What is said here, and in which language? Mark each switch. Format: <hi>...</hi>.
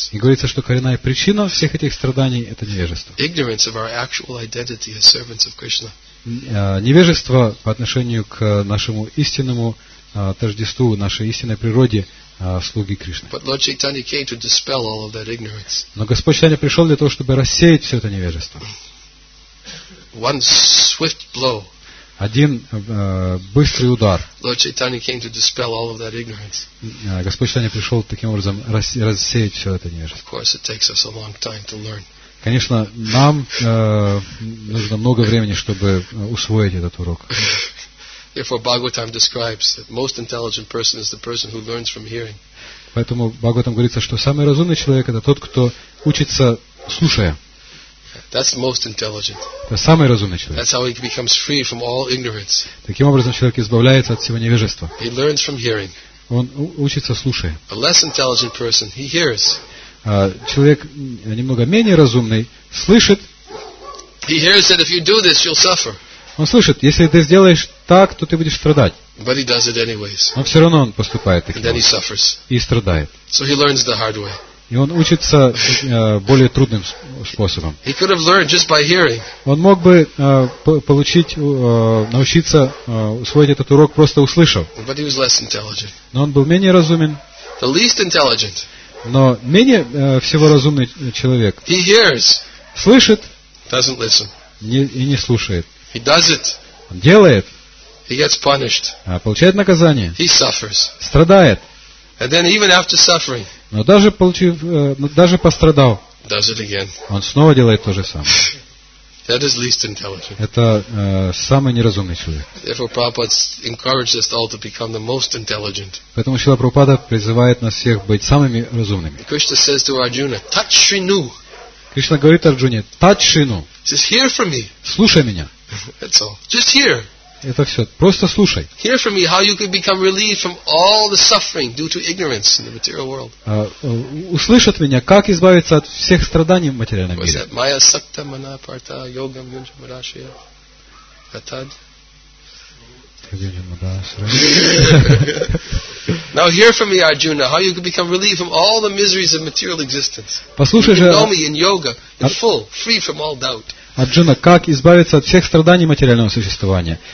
<ru>И говорится, что коренная причина всех этих страданий – это невежество.</ru> <en>Ignorance of our actual identity as servants of Krishna.</en> <ru>Невежество по отношению к нашему истинному тождеству, нашей истинной природе слуги Кришны.</ru> <en>But Lord Chaitanya came to dispel all of that ignorance.</en> <ru>Но Господь Чайтанья пришел для того, чтобы рассеять все это невежество.</ru> <en>One swift blow.</en> <ru>Один быстрый удар.</ru> <en>Lord Chaitanya came to dispel all of that ignorance.</en> <ru>Господь Чайтанья пришел таким образом рассеять все это невежество.</ru> <en>Of course, it takes us a long time to learn.</en> <ru>Конечно, нам нужно много времени, чтобы усвоить этот урок.</ru> <en>Therefore, Bhagavatam describes that most intelligent person is the person who learns from hearing.</en> <ru>Поэтому Бхагаватам говорится, что самый разумный человек это тот, кто учится слушая.</ru> <en>That's most intelligent.</en> <ru>Это самый разумный человек.</ru> <en>That's how he becomes free from all ignorance.</en> <ru>Таким образом человек избавляется от всего невежества.</ru> <en>He learns from hearing.</en> <ru>Он учится слушая.</ru> <en>A less intelligent person, he hears.</en> <ru>Человек немного менее разумный слышит.</ru> <en>He hears that if you do this, you'll suffer.</en> <ru>Он слышит, если ты сделаешь так, то ты будешь страдать.</ru> <en>But he does it anyways.</en> <ru>Но все равно он поступает таким.</ru> <en>And then he suffers.</en> <ru>И страдает.</ru> <en>So he learns the hard way.</en> <ru>И он учится более трудным способом.</ru> <en>He could have learned just by hearing.</en> <ru>Он мог бы научиться усвоить этот урок, просто услышав.</ru> <en>But he was less intelligent.</en> <ru>Но он был менее разумен.</ru> <en>The least intelligent.</en> <ru>Но менее всего разумный человек.</ru> <en>He hears.</en> <ru>Слышит.</ru> <en>Doesn't listen.</en> <ru>И не слушает.</ru> <en>He does it.</en> <ru>Он делает.</ru> <en>He gets punished.</en> <ru>Получает наказание.</ru> <en>He suffers.</en> <ru>Страдает.</ru> <en>And then even after suffering,</en> <ru>но даже получив, даже пострадал,</ru> <en>does it again.</en> <ru>Он снова делает то же самое.</ru> <en>That is least intelligent.</en> <ru>Это самый неразумный человек.</ru> <en>Therefore, Prabhupada encouraged us all to become the most intelligent.</en> <ru>Поэтому Шрила Прабхупада призывает нас всех быть самыми разумными.</ru> <en>Krishna says to Arjuna, touch Shrinu.</en> <ru>Кришна говорит Арджуне,</ru> <sa>touch Shrinu.</sa> <en>Just hear from me.</en> <ru>Слушай меня.</ru> <en>That's all. Just hear.</en> <ru>Это все. Просто слушай.</ru> <en>Hear from me how you can become relieved from all the suffering due to ignorance in the material world.</en> <ru>Услышь от меня, как избавиться от всех страданий в материальном мире.</ru> <sa>Майя сакта мана парта йогам юнджа мадашия катад.</sa> <en>Now hear from me, Arjuna, how you can become relieved from all the miseries of material existence.</en> <ru>Послушай же.</ru> <en>Know me in yoga, in full, free from all doubt.</en> <ru>Арджуна, как избавиться от всех страданий материального существования?</ru>